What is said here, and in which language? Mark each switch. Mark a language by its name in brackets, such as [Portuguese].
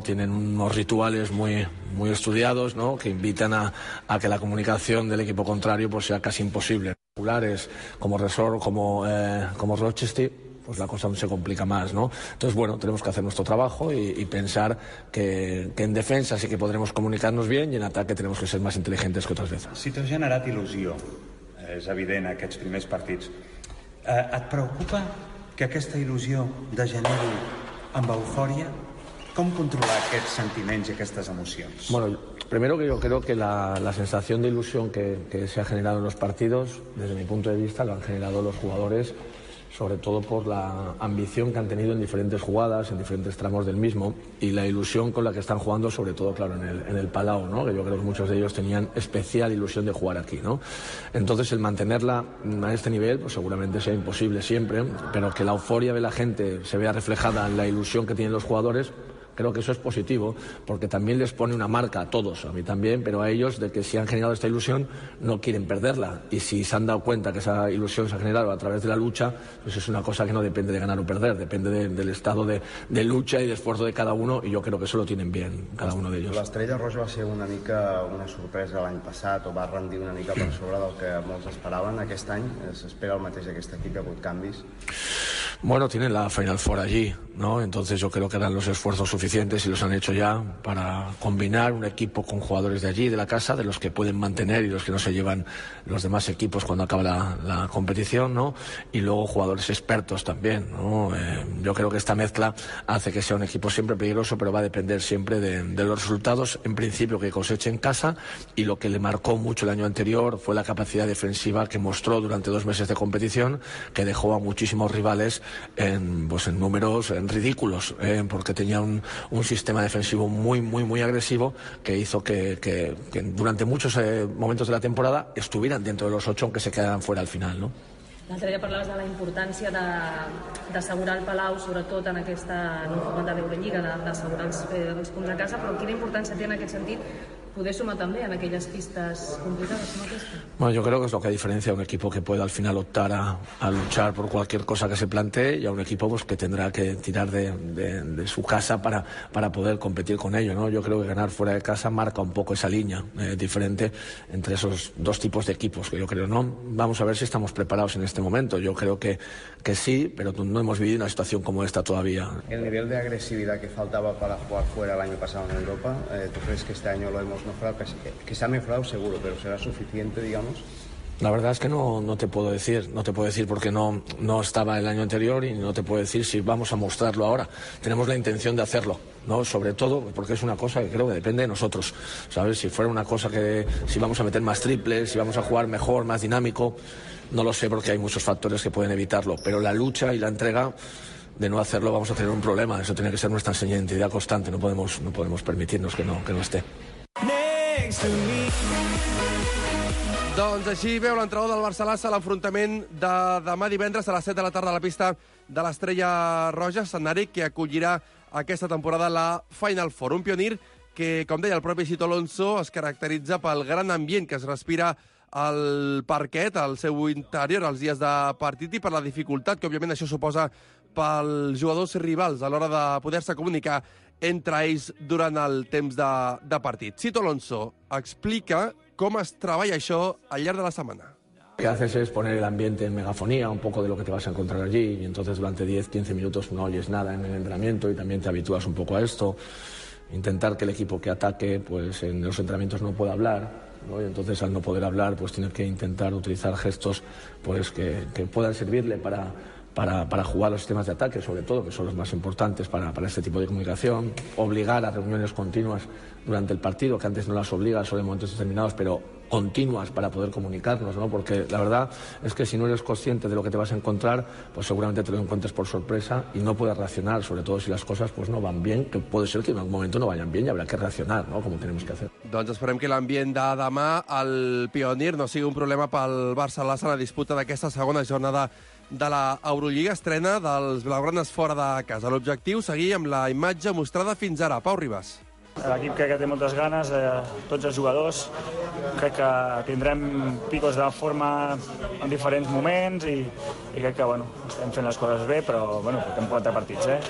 [Spanish] Tienen unos rituales muy, muy estudiados, ¿no? Que invitan a que la comunicación del equipo contrario pues sea casi imposible. Como Resor, como Rochester, pues la cosa se complica más, ¿no? Entonces, bueno, tenemos que hacer nuestro trabajo y pensar que en defensa sí que podremos comunicarnos bien y en ataque tenemos que ser más inteligentes que otras veces. [Catalan] Si t'has generat il·lusió, és evident, aquests primers partits, et preocupa que aquesta il·lusió degeneri amb eufòria? ¿Com controlar aquests sentiments i aquestes emocions? [Spanish] Bueno, primero que yo creo que la sensación de ilusión que se ha generado en los partidos, desde mi punto de vista, lo han generado los jugadores, sobre todo por la ambición que han tenido en diferentes jugadas, en diferentes tramos del mismo, y la ilusión con la que están jugando, sobre todo, claro, en el Palau, ¿no? Que yo creo que muchos de ellos tenían especial ilusión de jugar aquí, ¿no? Entonces, el mantenerla a este nivel, pues seguramente sea imposible siempre, pero que la euforia de la gente se vea reflejada en la ilusión que tienen los jugadores, creo que eso es positivo, porque también les pone una marca a todos, a mí también, pero a ellos, de que si han generado esta ilusión, no quieren perderla. Y si se han dado cuenta que esa ilusión se ha generado a través de la lucha, pues es una cosa que no depende de ganar o perder, depende del estado de lucha y de esfuerzo de cada uno, y yo creo que eso lo tienen bien, cada uno de ellos. [Catalan] L'Estrella Roja va ser una mica una sorpresa l'any passat, o va rendir una mica per sobre del que molts esperaven. Aquest any s'espera el mateix d'aquest equip, ha hagut canvis? [Spanish] Bueno, tienen la Final Four allí, ¿no? Entonces yo creo que eran los esfuerzos suficientes y los han hecho ya para combinar un equipo con jugadores de allí, de la casa, de los que pueden mantener y los que no se llevan los demás equipos cuando acaba la competición, ¿no? Y luego jugadores expertos también, ¿no? Yo creo que esta mezcla hace que sea un equipo siempre peligroso, pero va a depender siempre de los resultados, en principio, que coseche en casa. Y lo que le marcó mucho el año anterior fue la capacidad defensiva que mostró durante 2 meses de competición, que dejó a muchísimos rivales en números en ridículos, porque tenía un sistema defensivo muy, muy, muy agresivo que hizo que durante muchos momentos de la temporada estuvieran dentro de los 8, aunque se quedaran fuera al final, ¿no? [Catalan] L'altre dia parlaves de la importància d'assegurar el Palau, sobretot en aquesta format de l'Eurolliga, d'assegurar els punts a casa, però quina importància té en aquest sentit poder sumar també en aquelles pistes complicades com aquesta? [Spanish] Bueno, yo creo que es lo que diferencia a un equipo que puede al final optar a luchar por cualquier cosa que se plantee y a un equipo pues, que tendrá que tirar de su casa para poder competir con ello, ¿no? Yo creo que ganar fuera de casa marca un poco esa línea diferente entre esos dos tipos de equipos, que yo creo, ¿no? Vamos a ver si estamos preparados en este momento. Yo creo que sí, pero no hemos vivido una situación como esta todavía. El nivel de agresividad que faltaba para jugar fuera el año pasado en Europa, ¿tú crees que este año lo hemos mejorado? Que se ha mejorado seguro, pero ¿será suficiente, digamos? La verdad es que no te puedo decir, no te puedo decir porque no estaba el año anterior y no te puedo decir si vamos a mostrarlo ahora. Tenemos la intención de hacerlo, ¿no? Sobre todo porque es una cosa que creo que depende de nosotros, ¿sabes? Si fuera una cosa que si vamos a meter más triples, si vamos a jugar mejor, más dinámico, no lo sé porque hay muchos factores que pueden evitarlo, pero la lucha y la entrega de no hacerlo vamos a tener un problema. Eso tiene que ser nuestra enseñanza de identidad constante, no podemos permitirnos que no esté. [Catalan] Doncs així veu l'entrenador del Barça a l'enfrontament de demà divendres a les 7 de la tarda a la pista de l'Estrella Roja, Sant Eric, que acollirà aquesta temporada la Final Four. Un pionier que, com deia el propi Xito Alonso, es caracteritza pel gran ambient que es respira al parquet, al seu interior, als dies de partit, i per la dificultat que, òbviament, això suposa pels jugadors rivals a l'hora de poder-se comunicar entre ells durant el temps de partit. Xito Alonso explica com es treballa això al llarg de la setmana. [Spanish] Lo que haces es poner el ambiente en megafonía, un poco de lo que te vas a encontrar allí, y entonces durante 10-15 minutos no oyes nada en el entrenamiento y también te habitúas un poco a esto. Intentar que el equipo que ataque, pues en los entrenamientos no pueda hablar, ¿no? Y entonces al no poder hablar, pues tienes que intentar utilizar gestos pues que puedan servirle para jugar los sistemas de ataque, sobre todo, que son los más importantes para este tipo de comunicación. Obligar a reuniones continuas durante el partido, que antes no las obliga, solo en momentos determinados, pero continuas para poder comunicarnos, ¿no? Porque la verdad es que si no eres consciente de lo que te vas a encontrar, pues seguramente te lo encuentres por sorpresa y no puedes reaccionar, sobre todo si las cosas pues no van bien, que puede ser que en algún momento no vayan bien y habrá que reaccionar, ¿no? Como tenemos que hacer. [Catalan] Doncs esperem que l'ambient de demà al Pionier no sigui un problema pel Barça a la disputa d'aquesta segona jornada de la Eurolliga, estrena dels blaugranes fora de casa. L'objectiu, seguir amb la imatge mostrada fins ara. Pau Ribas. L'equip crec que té moltes ganes, tots els jugadors. Crec que tindrem picos de forma en diferents moments i crec que bueno, estem fent les coses bé, però bueno, portem 4 partits.